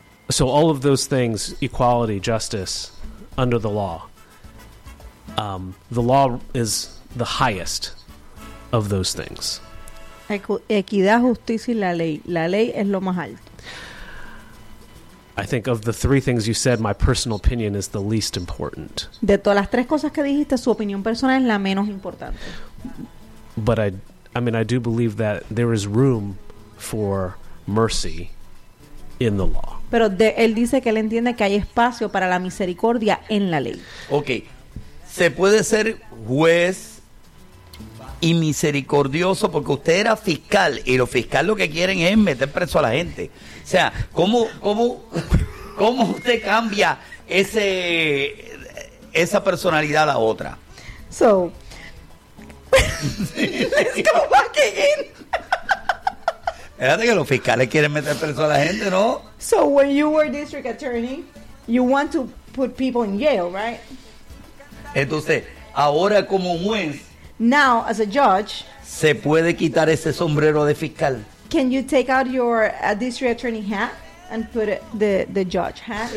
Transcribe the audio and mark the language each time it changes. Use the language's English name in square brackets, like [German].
[English] So all of those things, equality, justice, under the law, the law is the highest of those things. [Spanish] Equidad, justicia y la ley. La ley es lo más alto. [English] I think of the three things you said, my personal opinion is the least important. [Spanish] De todas las tres cosas que dijiste, su opinión personal es la menos importante. [English] But I do believe that there is room for mercy in the law. [Spanish] Pero él dice que él entiende que hay espacio para la misericordia en la ley. Okay. ¿Se puede ser juez y misericordioso, porque usted era fiscal y los fiscales lo que quieren es meter preso a la gente. O sea, ¿cómo usted cambia esa personalidad a la otra? [English] So, let's go back in. [Spanish] Espérate que los fiscales quieren meter preso a la gente, ¿no? [English] So, when you were district attorney, you want to put people in jail, right? [Spanish] Entonces, ahora como juez, [English] now as a judge, [Spanish] se puede quitar ese sombrero de fiscal. [English] Can you take out your district attorney hat and put it, the judge hat?